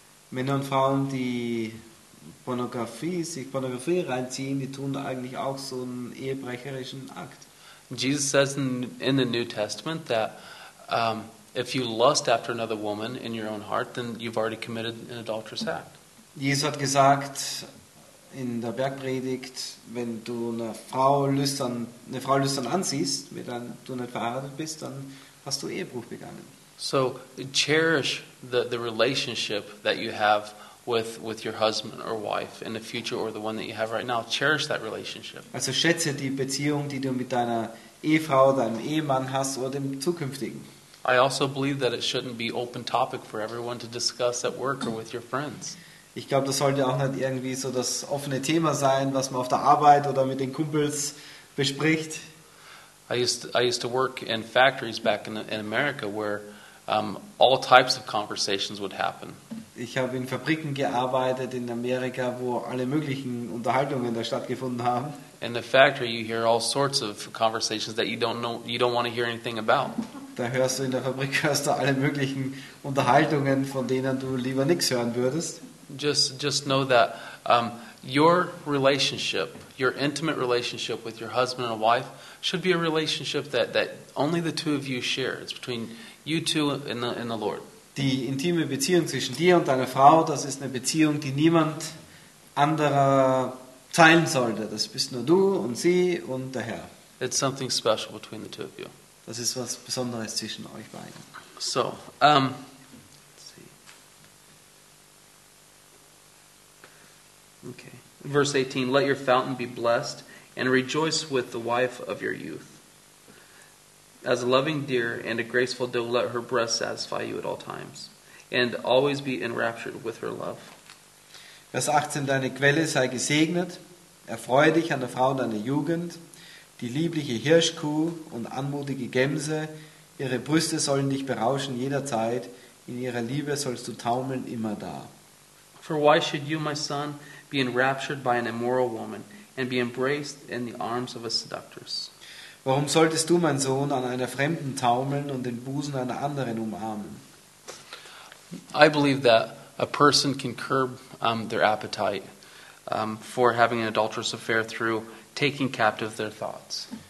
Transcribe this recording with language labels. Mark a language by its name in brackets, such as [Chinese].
[German] Männer und Frauen, die sich Pornografie reinziehen, die tun eigentlich auch so einen ehebrecherischen Akt. [English] Jesus says in the New Testament that if you lust after another woman in your own heart, then you've already committed an adulterous act. [German] Jesus hat gesagt in der Bergpredigt, wenn du eine Frau lüstern ansiehst, wenn du nicht verheiratet bist, dann hast du Ehebruch begangen. [English] So cherish the relationship that you have with your husband or wife in the future or the one that you have right now. Cherish that relationship. [German] Also schätze die Beziehung, die du mit deiner Ehefrau, deinem Ehemann hast oder dem zukünftigen. [English] I also believe that it shouldn't be open topic for everyone to discuss at work or with your friends. [German] Ich glaube, das sollte auch nicht irgendwie so das offene Thema sein, was man auf der Arbeit oder mit den Kumpels bespricht. [English] I used to work in factories back in America where all types of conversations would happen. [German] Ich habe in Fabriken gearbeitet in Amerika, wo alle möglichen Unterhaltungen da stattgefunden haben. [English] In the factory you hear all sorts of conversations that you don't want to hear anything about. [German] Da hörst du in der Fabrik hörst du alle möglichen Unterhaltungen, von denen du lieber nichts hören würdest. [English] Just know that your relationship, your intimate relationship with your husband and wife should be a relationship that only the two of you share. It's between you two and the Lord. [German] Die intime Beziehung zwischen dir und deiner Frau, das ist eine Beziehung, die niemand anderer teilen sollte. Das bist nur du und sie und der Herr. [English] It's something special between the two of you. [German] Das ist was Besonderes zwischen euch beiden. [English] So, okay. Verse 18, let your fountain be blessed and rejoice with the wife of your youth. As a loving deer and a graceful doe, let her breast satisfy you at all times, and always be enraptured with her love. [German] Vers 18, deine Quelle sei gesegnet, erfreue dich an der Frau deiner Jugend, die liebliche Hirschkuh und anmutige Gemse, ihre Brüste sollen dich berauschen jederzeit, in ihrer Liebe sollst du taumeln immer da. [English] For why should you, my son, be enraptured by an immoral woman, and be embraced in the arms of a seductress? [German] Warum solltest du, mein Sohn, an einer Fremden taumeln und den Busen einer anderen umarmen? [English] I believe that a person can curb their appetite for having an adulterous affair through taking captive their thoughts.